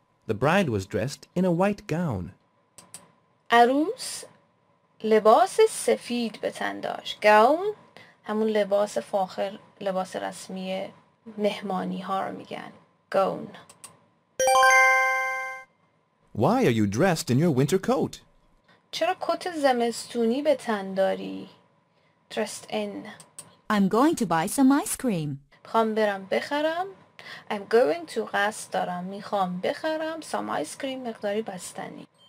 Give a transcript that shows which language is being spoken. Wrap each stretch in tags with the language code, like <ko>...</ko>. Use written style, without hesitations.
<en>The bride was dressed in a white gown.</en> <fa>عروس لباس سفید به تن داشت. Gown همون لباس فاخر, لباس رسمی مهمانی ها رو میگن.</fa> <en>Gown. Why are you dressed in your winter coat?</en> <fa>چرا کت زمستونی به تن داری؟</fa> <en>Dressed in. I'm going to buy some ice cream.</en> <fa>میخوام برم بخرم.</fa> <en>I'm going to</en> <fa>قصد دارم. میخوام بخرم</fa> <en>some ice cream,</en> <fa>مقداری بستنی.</fa>